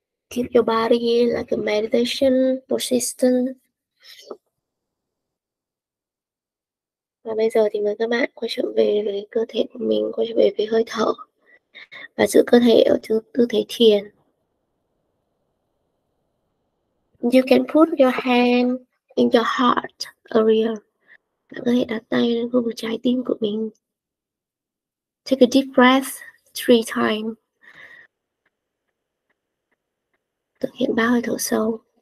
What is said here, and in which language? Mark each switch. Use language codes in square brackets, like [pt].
[en] Keep your body like a meditation position. [vi] Và bây giờ thì mời các bạn quay trở về với cơ thể của mình, quay trở về với hơi thở và giữ cơ thể ở tư thế thiền. [en] You can put your hand in your heart area. [vi] Bạn có thể đặt tay lên khu vực trái tim của mình. [en] Take a deep breath 3 times. [vi] Thực hiện 3 hơi thở sâu.